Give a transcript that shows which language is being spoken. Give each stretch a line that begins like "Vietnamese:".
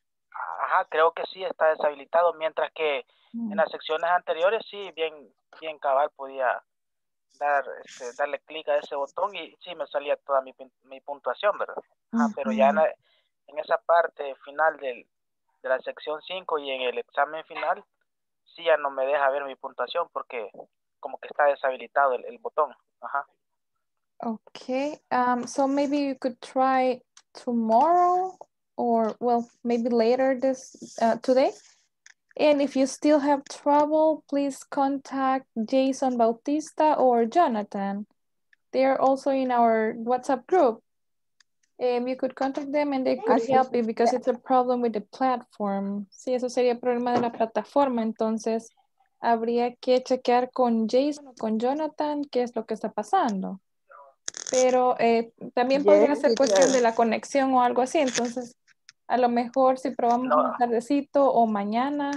Spanish: Ajá, creo que sí está deshabilitado, mientras que en las secciones anteriores sí, bien cabal podía darle clic a ese botón y sí, me salía toda mi puntuación, ¿verdad? Uh-huh. Ah, pero ya en esa parte final de la sección 5 y en el examen final, sí ya no me deja ver mi puntuación porque como que está deshabilitado el botón. Ajá.
English: Okay, so maybe you could try tomorrow or, well, maybe later this today. And if you still have trouble, please contact Jason Bautista or Jonathan. They are also in our WhatsApp group. You could contact them and they could help you because it's a problem with the platform.
Spanish: Sí, eso sería problema de la plataforma. Entonces, habría que chequear con Jason o con Jonathan qué es lo que está pasando. Pero también podría ser cuestión de la conexión o algo así. Entonces, a lo mejor si probamos un tardecito o mañana.